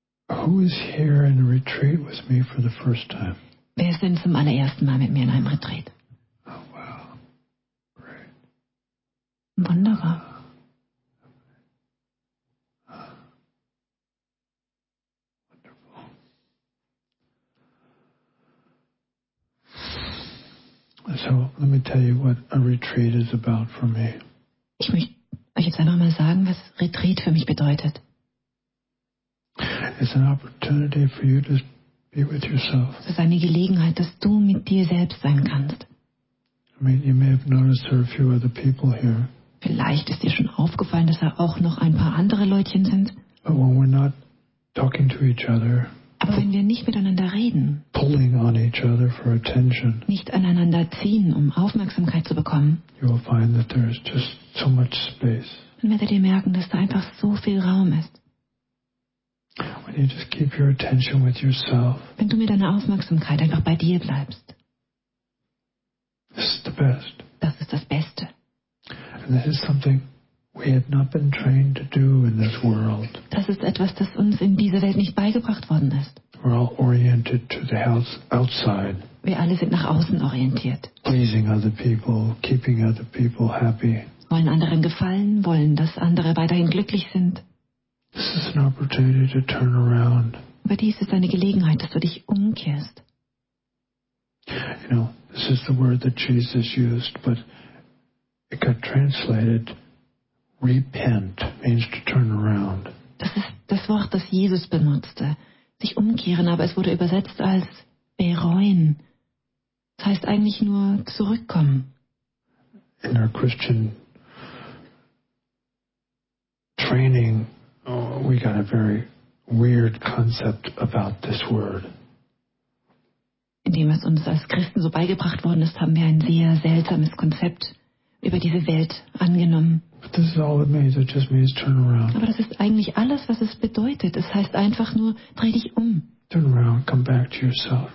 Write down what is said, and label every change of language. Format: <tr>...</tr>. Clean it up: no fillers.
<en>Who is here in a retreat with me for the first time?</en> <de>Wer ist denn zum allerersten Mal mit mir in einem Retreat?</de> <en>Oh, wow. Great.</en> <de>Wunderbar.</de> <en>So let me tell you what a retreat is about for me.</en> <de>Ich möchte euch jetzt einfach mal sagen, was Retreat für mich bedeutet.</de> <en>It's an opportunity for you to be with yourself.</en> <de>Es ist eine Gelegenheit, dass du mit dir selbst sein kannst.</de> <en>I mean, you may have noticed there are a few other people here.</en> <de>Vielleicht ist dir schon aufgefallen, dass da auch noch ein paar andere Leutchen sind.</de> <en>But when we're not talking to each other.</en> <de>Aber wenn wir nicht miteinander reden,</de> <en>pulling on each other for attention,</en> <de>nicht aneinander ziehen, um Aufmerksamkeit zu bekommen,</de> <en>you will find that there is just so much space.</en> <de>Dann werdet ihr merken, dass da einfach so viel Raum ist.</de> <en>When you just keep your attention with yourself,</en> <de>wenn du mit deiner Aufmerksamkeit einfach bei dir bleibst,</de> <en>this is the best.</en> <de>Das ist das Beste.</de> <en>And this is something we had not been trained to do in this world.</en> <de>Das ist etwas, das uns in dieser Welt nicht beigebracht worden ist.</de> <en>We're all oriented to the outside.</en> <de>Wir alle sind nach außen orientiert.</de> <en>Pleasing other people, keeping other people happy.</en> <de>Wollen anderen gefallen, wollen, dass andere weiterhin glücklich sind.</de> <en>This is an opportunity to turn around.</en> <de>Aber dies ist eine Gelegenheit, dass du dich umkehrst.</de> <en>You know, this is the word that Jesus used, but it got translated. Repent means to turn around.</en> <de>Das ist das Wort, das Jesus benutzte. Sich umkehren, aber es wurde übersetzt als bereuen. Das heißt eigentlich nur zurückkommen.</de> <en>In our Christian training, we got a very weird concept about this word.</en> <de>In dem, was uns als Christen so beigebracht worden ist, haben wir ein sehr seltsames Konzept über diese Welt angenommen.</de> <en>This is all it means. It just means turn around.</en> <de>Aber das ist eigentlich alles, was es bedeutet. Es heißt einfach nur, dreh dich um.</de> <en>Turn around, come back to yourself.</en>